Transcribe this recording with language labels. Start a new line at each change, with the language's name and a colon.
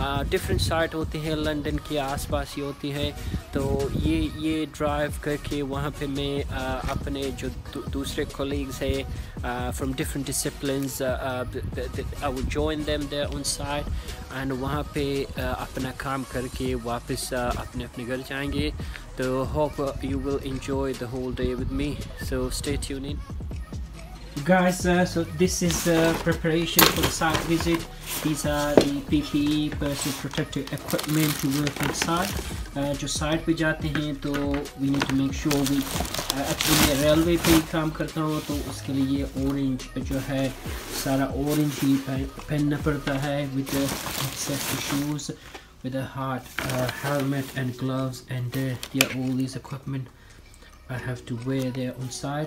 Hindi: Different site होती हैं London के आस पास ही होती हैं, तो ये ड्राइव करके वहाँ पे मैं अपने जो दूसरे कोलीग्स हैं
English: from different disciplines I will join them there on site and
Hindi: वहाँ पे अपना काम करके वापस अपने अपने घर जाएंगे.
English: तो hope you will enjoy the whole day with me. So stay tuned in guys. So this is the preparation for the site visit. These are the PPE, personal protective equipment to work on site.
Hindi: जो site पे जाते हैं तो
English: we need to make sure we actually
Hindi: railway पे ही काम करता हूँ तो उसके लिए ऑरेंज जो है सारा ऑरेंज ही पहनना पड़ता है
English: With safety shoes with hard helmet and gloves and there all this equipment I have to wear there on site.